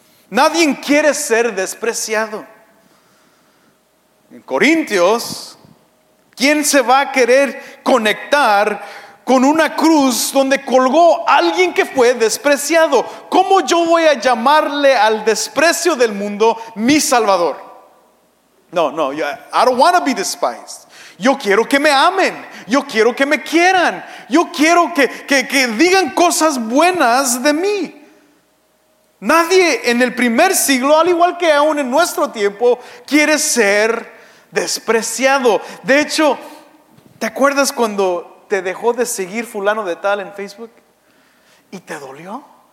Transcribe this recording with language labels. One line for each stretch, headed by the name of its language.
Spanish: Nadie quiere ser despreciado. En Corintios, ¿quién se va a querer conectar con una cruz donde colgó alguien que fue despreciado? ¿Cómo yo voy a llamarle al desprecio del mundo mi salvador?
English: No, I don't want to be despised.
Spanish: Yo quiero que me amen, yo quiero que me quieran, yo quiero que digan cosas buenas de mí. Nadie en el primer siglo, al igual que aún en nuestro tiempo, quiere ser despreciado. De hecho, ¿te acuerdas cuando te dejó de seguir fulano de tal en Facebook? ¿Y te dolió?